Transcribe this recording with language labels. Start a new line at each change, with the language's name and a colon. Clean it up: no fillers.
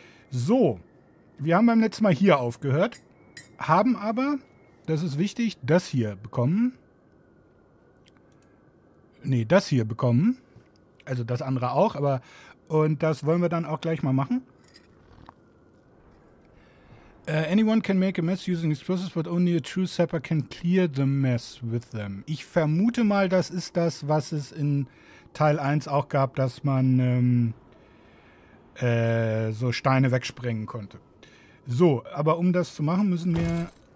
German: So, wir haben beim letzten Mal hier aufgehört, haben aber, das ist wichtig, das hier bekommen. Nee, das hier bekommen. Also das andere auch, aber. Und das wollen wir dann auch gleich mal machen.
English: Anyone can make a mess using explosives, but only a true sapper can clear the mess with them.
German: Ich vermute mal, das ist das, was es in Teil 1 auch gab, dass man so Steine wegsprengen konnte. So, aber um das zu machen, müssen wir.